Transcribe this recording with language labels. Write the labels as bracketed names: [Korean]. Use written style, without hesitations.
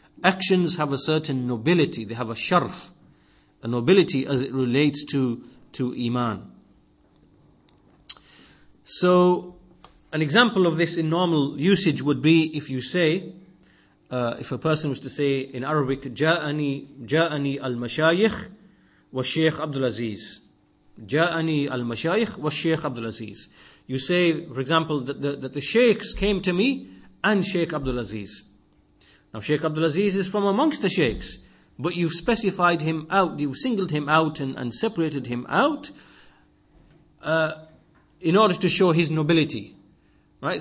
[English] Actions have a certain nobility, they have a sharf, a nobility as it relates to iman. So an example of this in normal usage would be if you say, if a person was to say in Arabic, [Arabic] جَاءَنِي الْمَشَايِخ وَالشَّيْخ عَبْدُ الْعَزِيزِ. جاءني المشايخ والشيخ عبد العزيز. [English] You say, for example, that the sheikhs came to me and Sheikh Abdul Aziz. Now Sheikh Abdul Aziz is from amongst the sheikhs, but you've specified him out, you've singled him out and separated him out in order to show his nobility. Right?